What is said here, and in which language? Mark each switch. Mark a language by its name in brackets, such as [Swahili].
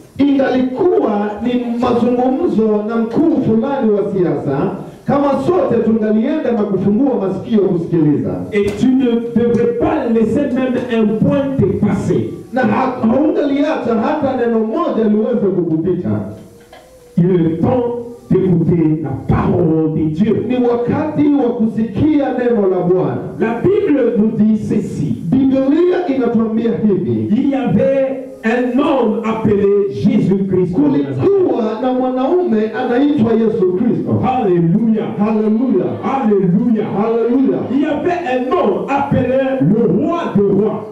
[Swahili] Ingalikuwa ni mazungumzo na mkuu fulani wa siasa, kama sote tungalienda na kufungua masikio kusikiliza. [French] Et tu ne devrais pas laisser même un point te passer. [Swahili] Na haungaliacha hata neno moja liweze kukupita. [French] Il est temps d'écouter la parole de Dieu. [Swahili] Ni wakati wa kusikia neno la Bwana. [French] La Bible nous dit ceci. [Swahili] Biblia inatuambia hivi. [French] Il y avait un homme appelé Jésus-Christ. [Swahili] Kulikuwa na mwanaume anaitwa Yesu Kristo. [French] Alléluia. Alléluia. Alléluia. Alléluia. Il y avait un homme appelé le roi de rois.